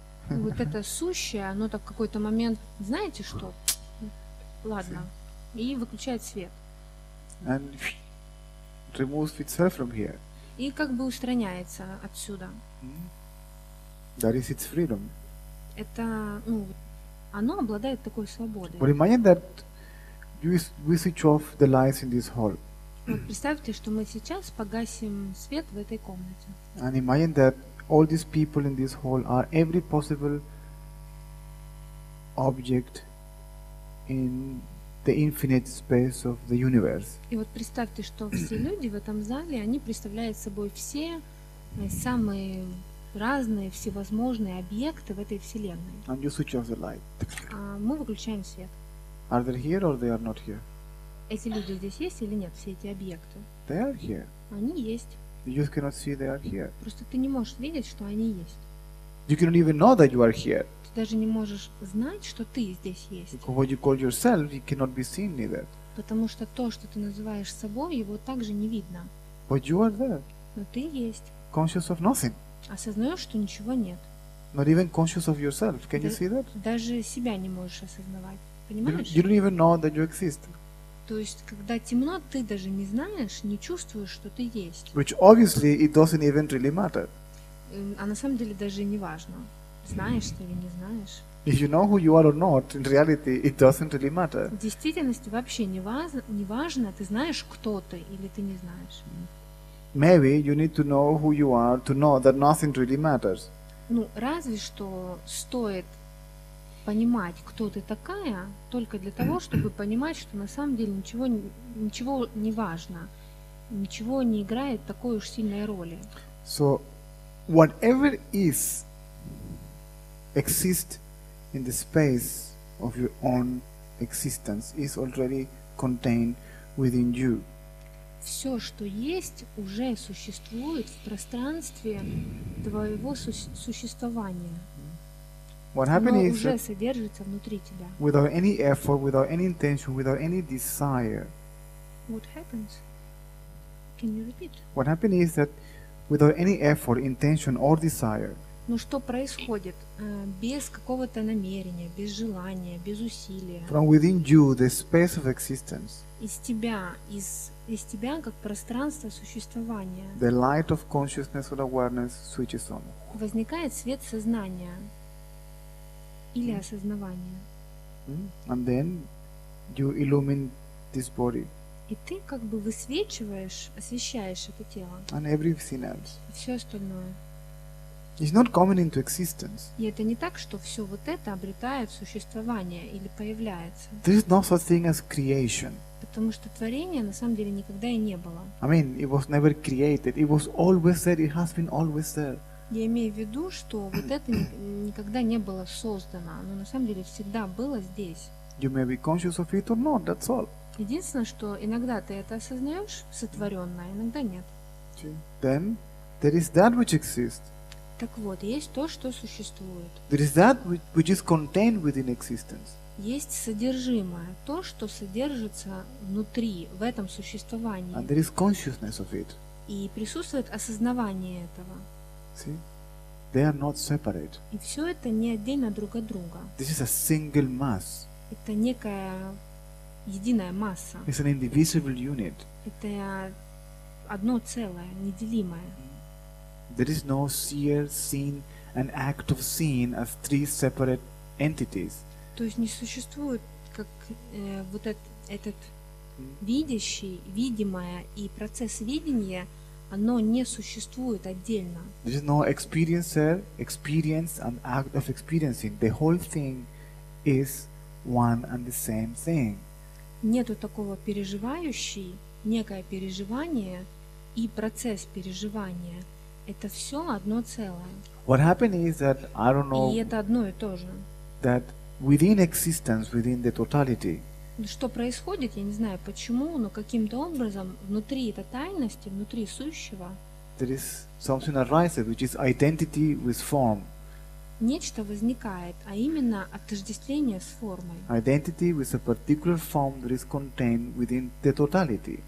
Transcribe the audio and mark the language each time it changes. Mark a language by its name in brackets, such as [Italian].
[Russian] вот это сущее, оно так в какой-то момент, знаете что? Ладно. И выключает свет. [English] And removes itself from here. [Russian] И как бы устраняется отсюда. [English] That is its freedom. [Russian] Это, ну, оно обладает такой свободой. [English] But imagine that we switch off the lights in this hall. [Russian] Вот представьте, что мы сейчас погасим свет в этой комнате. [English] And imagine that all these people in this hall are every possible object in the infinite space of the universe. [Russian] И вот представьте, что все люди в этом зале, они представляют собой все самые разные, всевозможные объекты в этой вселенной. [English] And you switch off the light. [Russian] Мы выключаем свет. [English] Are they here or they are not here? [Russian] Эти люди здесь есть или нет, все эти объекты? [English] They are here. [Russian] Они есть. [English] You just cannot see they are here. [Russian] Просто ты не можешь видеть, что они есть. [English] You cannot even know that you are here. [Russian] Ты даже не можешь знать, что ты здесь есть. [English] Because what you call yourself, you cannot be seen neither. [Russian] Потому что то, что ты называешь собой, его также не видно. [English] But you are there. [Russian] Но ты есть. [English] Conscious of nothing. [Russian] Осознаешь, что ничего нет. [English] Not even conscious of yourself. Can you see that? [Russian] Даже себя не можешь осознавать. Понимаешь? [English] You don't even know that you exist. [Russian] То есть, когда темно, ты даже не знаешь, не чувствуешь, что ты есть. [English] Which obviously it doesn't even really matter. [Russian] А на самом деле даже не важно, знаешь ты или не знаешь. [English] If you know who you are or not, in reality it doesn't really matter. [Russian] В действительности вообще не важно, ты знаешь, кто ты или ты не знаешь. [English] Maybe you need to know who you are to know that nothing really matters. [Russian] Ну, разве что стоит понимать, кто ты такая, только для того, чтобы понимать, что на самом деле ничего не важно, ничего не играет такой уж сильной роли. [English] So whatever is exists in the space of your own existence is already contained within you. [Russian] Все, что есть, уже существует в пространстве твоего существования. [English] What happened is [Russian] уже содержится внутри тебя. [English] Without any effort, without any intention, without any desire. What happens? Can you repeat? What happened is that without any effort, intention or desire. [Russian] Ну что происходит без какого-то намерения, без желания, без усилия? [English] From within you, the space of existence. [Russian] Из тебя как пространство существования. [English] The light of consciousness or awareness switches on. [Russian] Возникает свет сознания. Или осознавание. [English] And then you illumine this body. [Russian] И ты как бы высвечиваешь, освещаешь это тело. [English] And everything else. [Russian] И все остальное. [English] It's not coming into existence. [Russian] И это не так, что все вот это обретает существование или появляется. [English] There is no such thing as creation. [Russian] Потому что творения на самом деле никогда и не было. [English] I mean, it was never created. It was always there. It has been always there. [Russian] Я имею в виду, что вот это никогда не было создано, оно на самом деле всегда было здесь. [English] You may be conscious of it or not, that's all. [Russian] Единственное, что иногда ты это осознаешь, сотворенное, иногда нет. [English] Then there is that which exists. [Russian] Так вот, есть то, что существует. [English] There is that which is contained within existence. [Russian] Есть содержимое, то, что содержится внутри, в этом существовании. [English] And there is consciousness of it. [Russian] И присутствует осознавание этого. [English] See? They are not separate. [Russian] И все это не отдельно друг от друга. [English] This is a single mass. [Russian] Это некая единая масса. [English] It's an indivisible unit. [Russian] Это одно целое, неделимое. [English] There is no seer, seen, an act of seeing as three separate entities. [Russian] То есть не существует как вот этот видящий, видимое и процесс видения. Оно не существует отдельно. [English] There is no experiencer, experience and act of experiencing. The whole thing is one and the same thing. [Russian] Нету такого переживающий, некое переживание и процесс переживания. Это все одно целое. [English] What happened is that, I don't know, [Russian] и это одно и то же. [English] That within existence, within the totality, [Russian] что происходит, я не знаю почему, но каким-то образом внутри этой тайности, внутри сущего, [English] there is something arises, which is identity with form. [Russian] Нечто возникает, а именно отождествление с формой. [English] Identity with a particular form that is contained within the totality.